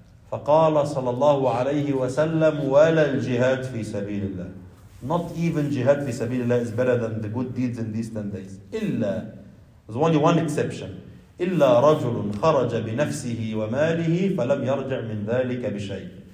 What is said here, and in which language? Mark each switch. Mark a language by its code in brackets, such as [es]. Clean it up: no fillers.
[ar] فقال صلى الله عليه وسلم ولا الجهاد في سبيل الله. [en] Not even jihad [ar] في سبيل الله [en] is better than the good deeds in these 10 days. إلا, there's only one exception. [ar] إلا رجل خرج بنفسه وماله فلم يرجع من ذلك بشيء.